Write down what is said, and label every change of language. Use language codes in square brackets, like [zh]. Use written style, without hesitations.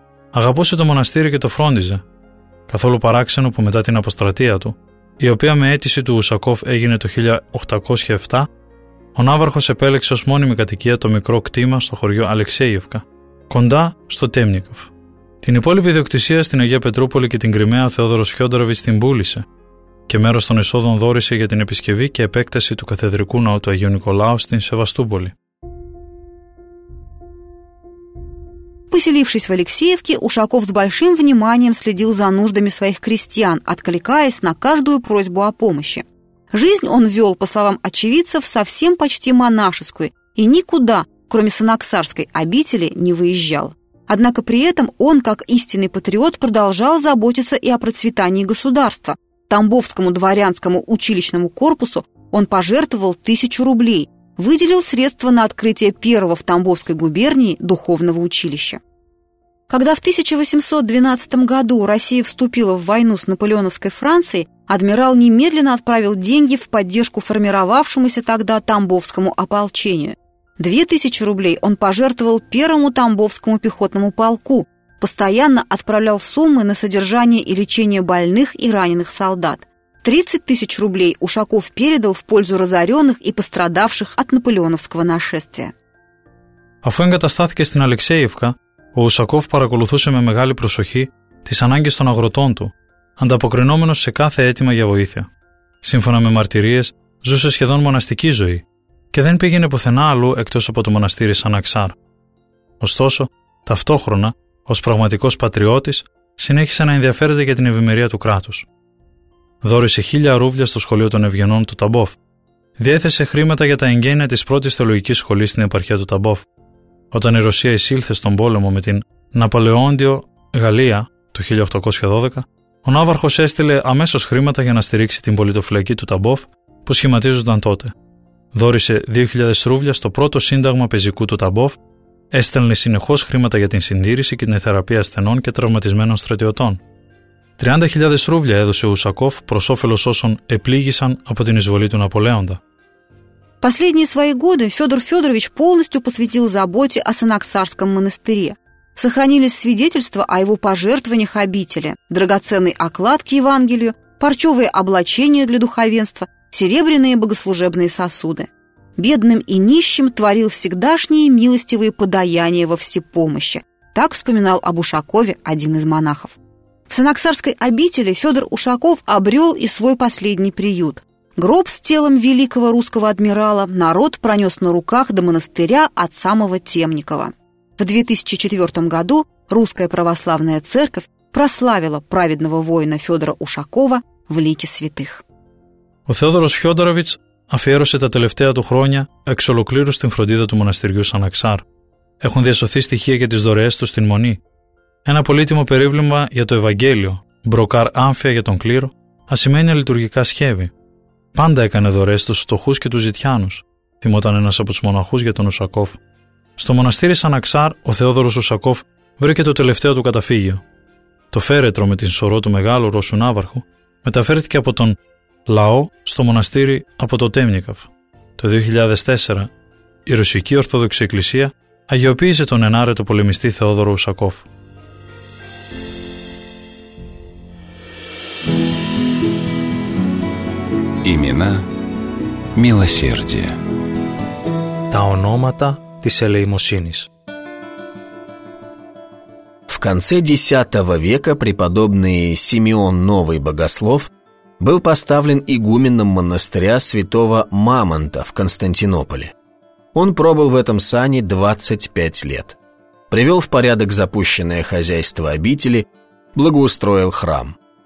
[el] Αγαπούσε το μοναστήρι και το φρόντιζε, καθόλου παράξενο που μετά την αποστρατεία του, η οποία με αίτηση του Ουσακόφ έγινε το 1807, ο ναύαρχος επέλεξε ως μόνιμη κατοικία το μικρό κτήμα στο χωριό Αλεξέιευκα, κοντά στο Τέμνικοφ. Την υπόλοιπη ιδιοκτησία στην Αγία Πετρούπολη και την Κρυμαία ο Θεόδωρος Φιόντοροβιτς την πούλησε και μέρος των εσόδων δόρισε για την επισκευή και επέκταση του καθεδρικού ναού του Αγίου Νικολάου στην Σεβαστούπολη. [ru] Поселившись в Алексеевке, Ушаков с большим вниманием следил за нуждами своих крестьян, откликаясь на каждую просьбу о помощи. Жизнь он вел, по словам очевидцев, совсем почти монашескую и никуда, кроме Санаксарской обители, не выезжал. Однако при этом он, как истинный патриот, продолжал заботиться и о процветании государства. Тамбовскому дворянскому училищному корпусу он пожертвовал 1000 рублей, выделил средства на открытие первого в Тамбовской губернии духовного училища. Когда в 1812 году Россия вступила в войну с наполеоновской Францией, адмирал немедленно отправил деньги в поддержку формировавшемуся тогда Тамбовскому ополчению. 2000 рублей он пожертвовал первому Тамбовскому пехотному полку, постоянно отправлял суммы на содержание и лечение больных и раненых солдат. 30 тысяч рублей Ушаков передал в пользу разоренных и пострадавших от наполеоновского нашествия. [el] Αφού εγκαταστάθηκε στην Αλεξέιευκα, ο Ουσακόφ παρακολουθούσε με μεγάλη προσοχή τις ανάγκες των αγροτών του, ανταποκρινόμενος σε κάθε αίτημα για βοήθεια. Σύμφωνα με μαρτυρίες, ζούσε σχεδόν μοναστική ζωή και δεν πήγαινε πουθενά αλλού εκτός από το μοναστήρι Σαναξάρ. Ωστόσο, ταυτόχρονα, ως πραγματικός πατριώτης, συνέχισε να ενδιαφέρεται για την ευημερία του κράτους. Δώρησε 1000 ρούβλια στο σχολείο των Ευγενών του Ταμπόφ. Διέθεσε χρήματα για τα εγγένεια της πρώτης θεολογικής σχολής στην επαρχία του Ταμπόφ. Όταν η Ρωσία εισήλθε στον πόλεμο με την Ναπολεόντιο Γαλλία το 1812, ο Ναύαρχος έστειλε αμέσως χρήματα για να στηρίξει την πολιτοφυλακή του Ταμπόφ που σχηματίζονταν τότε. Δώρησε 2.000 ρούβλια στο πρώτο σύνταγμα πεζικού του Ταμπόφ, έστελνε συνεχώς χρήματα για την συντήρηση και την θεραπεία ασθενών και τραυματισμένων στρατιωτών. 30.000 ρούβλια έδωσε ο Ουσακόφ προς όφελος όσων επλήγησαν από την εισβολή του Ναπολέοντα. [ru] Последние свои годы Федор Федорович полностью посвятил заботе о Санаксарском монастыре. Сохранились свидетельства о его пожертвованиях обители, драгоценные окладки Евангелию, парчевые облачения для духовенства, серебряные богослужебные сосуды. Бедным и нищим творил всегдашние милостивые подаяния во всепомощи. Так вспоминал об Ушакове один из монахов. В Санаксарской обители Федор Ушаков обрел и свой последний приют. Гроб с телом великого русского адмирала народ пронес на руках до монастыря от самого Темникова. В 2004 году Русская Православная Церковь прославила праведного воина Федора Ушакова в лике святых. [el] Ο Θεόδωρος Φιόντοροβιτς αφιέρωσε τα τελευταία του χρόνια εξ ολοκλήρου στην φροντίδα του μοναστηριού Σαναξάρ. Έχουν διασωθεί στοιχεία για τις δωρεές του στην Μονή. Ένα πολύτιμο περίβλημα για το Ευαγγέλιο, μπροκάρ άμφια για τον κλήρο, ασημένια λειτουργικά σχέβη. Πάντα έκανε δωρεές στους φτωχούς και τους ζητιάνους, θυμόταν ένας από τους μοναχούς για τον Ουσακόφ. Στο μοναστήρι Σαναξάρ, ο Θεόδωρος Ουσακόφ βρήκε το τελευταίο του καταφύγιο. Το φέρετρο με την σωρό του μεγάλου Ρώσου Ναύαρχου μεταφέρθηκε από τον λαό στο μοναστήρι από το Τέμνικαφ. Το 2004, η Ρωσική Ορθόδοξη Εκκλησία αγιοποίησε τον ενάρετο πολεμιστή Θεόδωρο Ουσακόφ. [ru] Имена милосердия. [el] Τα ονόματα της ελεημοσύνης. [ru] В конце X века преподобный Симеон Новый Богослов был поставлен игуменом монастыря святого Мамонта в Константинополе. Он пробыл в этом сане 25 лет. Привел в порядок запущенное хозяйство обители, благоустроил храм.